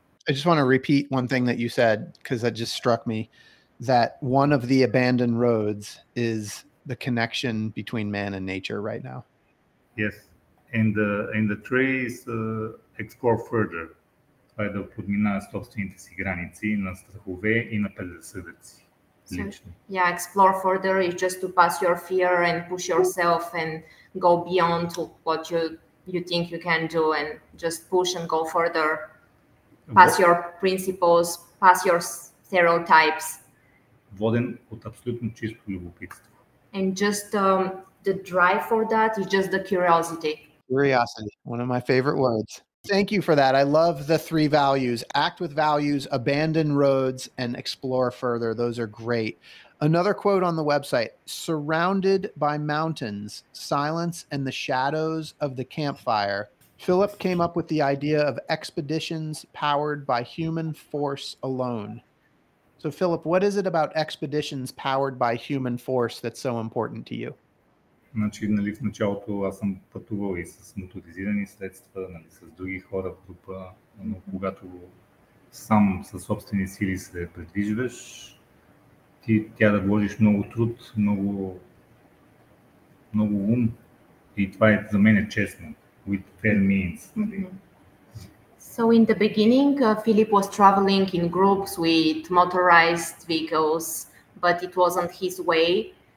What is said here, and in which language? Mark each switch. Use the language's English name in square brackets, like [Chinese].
[English] I just want to repeat one thing that you said, because that just struck me, that one of the abandoned roads is the connection between man and nature right now. Yes. And the trees explore further. [Bulgarian] Това е да подмина собствените си граници на страхове и на предразсъдъци. [English] So, yeah, explore further is just to pass your fear and push yourself and go beyond what you think you can do and just push and go further. Pass your principles, pass your stereotypes. [Bulgarian] Воден от абсолютно чисто любопитство. [English] And just the drive for that is just the curiosity. Curiosity, one of my favorite words. Thank you for that. I love the three values: act with values, abandon roads, and explore further. Those are great. Another quote on the website: surrounded by mountains, silence, and the shadows of the campfire, Philip came up with the idea of expeditions powered by human force alone. So, Philip, what is it about expeditions powered by human force that's so important to you? [Bulgarian] Значи, нали, в началото аз съм пътувал и с моторизирани средства, нали, с други хора в група, но когато сам със собствени сили се предвижваш, ти трябва да вложиш много труд, много ум, и това е за мен е честно, [English] with fair means. [Bulgarian] Нали. [English] So in the beginning, Philip was traveling in groups with motorized vehicles, but it wasn't his way.